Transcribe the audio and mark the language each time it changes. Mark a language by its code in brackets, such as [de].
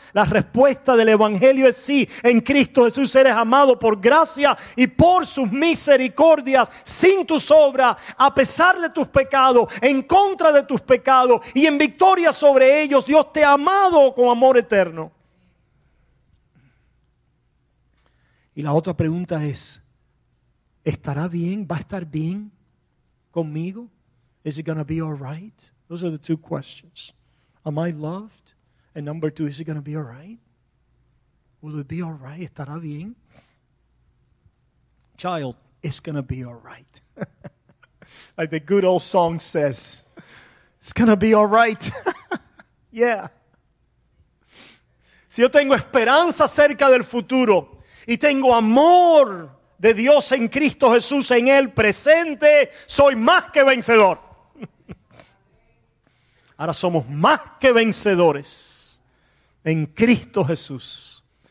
[es] La respuesta del Evangelio es sí. En Cristo Jesús eres amado por gracia y por sus misericordias, sin tus obras, a pesar de tus pecados, en contra de tus pecados y en victoria sobre ellos. Dios te ha amado con amor eterno. Y la otra pregunta es, ¿estará bien? ¿Va a estar bien conmigo? [en] Is it going to be all right? Those are the two questions. Am I loved? And number two, is it going to be all right? Will it be all right? [es] ¿Estará bien? [en] Child, it's going to be all right. Like the good old song says, it's going to be all right. Yeah. [es] Si yo tengo esperanza acerca del futuro y tengo amor de Dios en Cristo Jesús en el presente, soy más que vencedor. Ahora somos más que vencedores en Cristo Jesús.